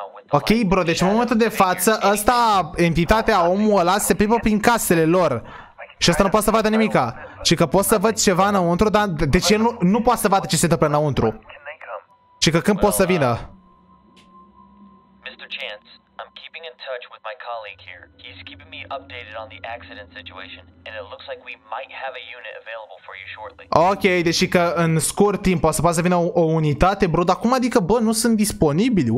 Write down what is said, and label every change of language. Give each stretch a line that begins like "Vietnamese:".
Romanian: Ok, bro, deci în momentul de față, ăsta, entitatea, omul ăla, se plimbă prin casele lor. Și ăsta nu poate să vadă nimica. Și că poți să văd ceva înăuntru, dar de ce nu poate să vadă ce se întâmplă înăuntru? Și că când poți să vină?
English: Mr. Chance, I'm keeping in touch with my colleague here. He's keeping me updated on the accident situation and it looks like we might have a unit available for you shortly.
Romanian: Ok, deci că în scurt timp o să poată să vină o unitate, bro, dar cum adică, bă, nu sunt disponibili?